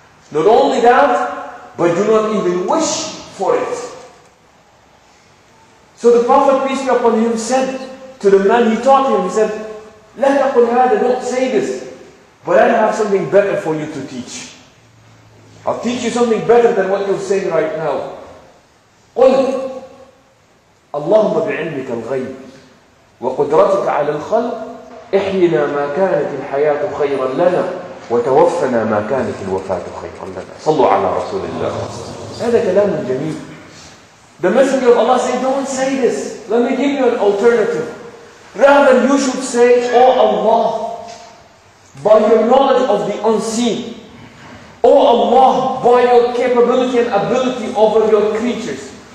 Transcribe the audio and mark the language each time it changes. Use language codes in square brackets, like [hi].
[en] Not only that, but do not even wish for it. So the Prophet, peace be upon him, said to the man he taught him, he said, [ar] لا تقل هذا, [en] don't say this, but I have something better for you to teach. I'll teach you something better than what you're saying right now. [ar] قل اللهم بعلمك الغيب وقدرتك على الخلق احينا ما كانت الحياة خيرا لنا وتوفنا ما كانت الوفاة خيرا لنا. صلوا على رسول الله. هذا كلام جميل. [en] The Messenger of Allah said, don't say this. Let me give you an alternative. Rather, you should say, oh Allah, by your knowledge of the unseen, O Allah, by your capability and ability over your creatures.